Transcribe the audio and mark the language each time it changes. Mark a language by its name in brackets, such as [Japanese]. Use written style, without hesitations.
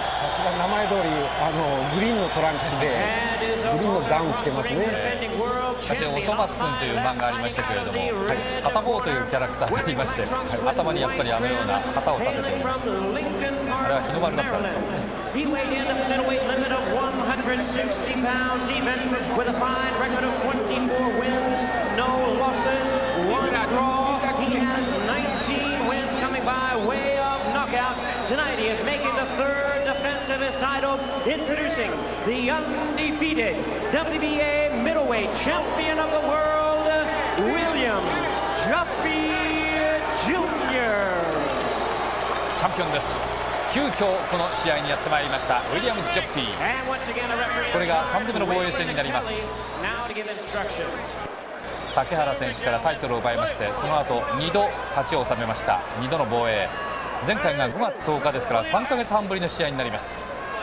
[Japanese] さすが名前通り、グリーンのトランクスで、グリーンのダウン着てますね。私はおそ松くんという漫画がありましたけれども、はい、旗坊というキャラクターがいまして、はい、頭にやっぱりあのような旗を立てておりました。あれは日の丸だったんですよね。 [English] He weighed in at the middleweight limit of 160 pounds even, with a fine record of 24 wins, no losses, one draw. He has 19 wins coming by way of knockout. Tonight he is making the third defense of his title, introducing the undefeated WBA middleweight champion of the world, William Joppy Jr. [Japanese] チャンピオンです。急遽この試合にやってまいりましたウィリアム・ジョッピー。これが3度目の防衛戦になります。竹原選手からタイトルを奪いまして、その後2度勝ちを収めました。 2度の防衛、前回が5月10日ですから3ヶ月半ぶりの試合になります。